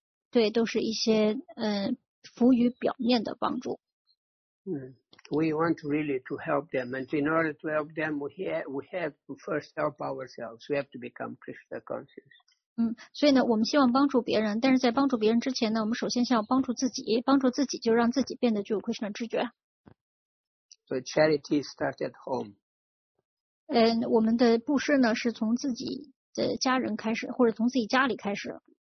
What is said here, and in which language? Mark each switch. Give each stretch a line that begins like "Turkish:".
Chinese: 对，都是一些浮于表面的帮助。
English: We want really to help them, and in order to help them, we have to first help ourselves. We have to become Krishna conscious.
Chinese: 所以呢，我们希望帮助别人，但是在帮助别人之前呢，我们首先先要帮助自己。帮助自己就让自己变得具有 Krishna 知觉。
English: So charity starts at home.
Chinese: 我们的布施呢，是从自己。的家人开始，或者从自己家里开始。